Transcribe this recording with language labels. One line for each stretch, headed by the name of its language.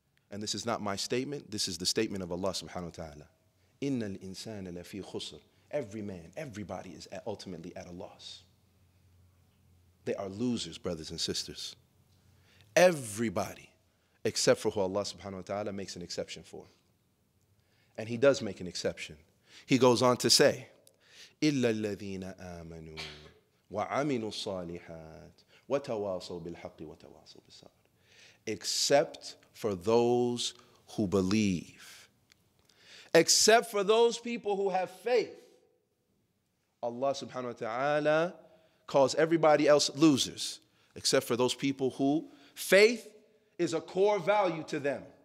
English: And this is not my statement. This is the statement of Allah subhanahu wa ta'ala.
Arabic: Inna al-insana lafi khusr.
English: Every man, everybody is ultimately at a loss. They are losers, brothers and sisters. Everybody, except for who Allah subhanahu wa ta'ala makes an exception for. And he does make an exception. He goes on to say,
Arabic: إِلَّا الَّذِينَ آمَنُوا وَعَمِنُوا الصَّالِحَاتِ وَتَوَاصَوْا بِالْحَقِّ وَتَوَاصَوْا بِالصَّبْرِ.
English: Except for those who believe. Except for those people who have faith. Allah subhanahu wa ta'ala calls everybody else losers, except for those people who faith is a core value to them.